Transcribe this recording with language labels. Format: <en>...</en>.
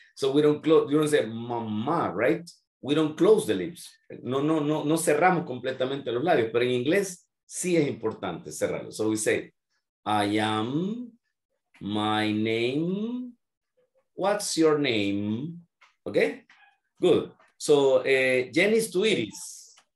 <en>So we don't close, you don't say mama, right? We don't close the lips.</en> <es>No cerramos completamente los labios, pero en inglés sí es importante cerrarlo.</es> <en>So we say, I am, my name, what's your name? Okay, good. So Jenny's to Iris.</en>